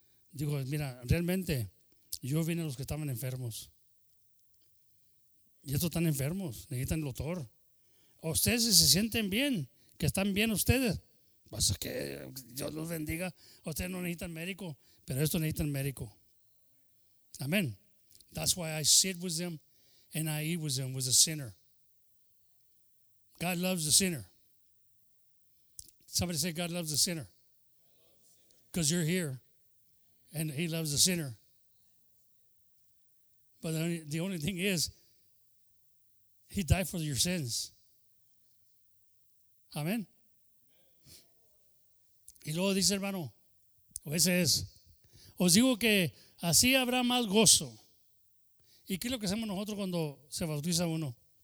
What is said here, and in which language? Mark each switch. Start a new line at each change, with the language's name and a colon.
Spanish: Digo, mira, realmente yo vine a los que estaban enfermos. Y estos están enfermos, necesitan el doctor. Ustedes si se sienten bien, que están bien ustedes, pues que Dios los bendiga. Ustedes no necesitan médico, pero estos necesitan médico. Amén.
English: That's why I sit with them and I eat with them, with a sinner. God loves the sinner. Somebody say, God loves the sinner. Because you're here and he loves the sinner. But the only thing is, he died for your sins.
Spanish: Amén. Y luego dice, hermano, o ese es, os digo que así habrá más gozo. ¿Y qué es lo que hacemos nosotros cuando se bautiza uno?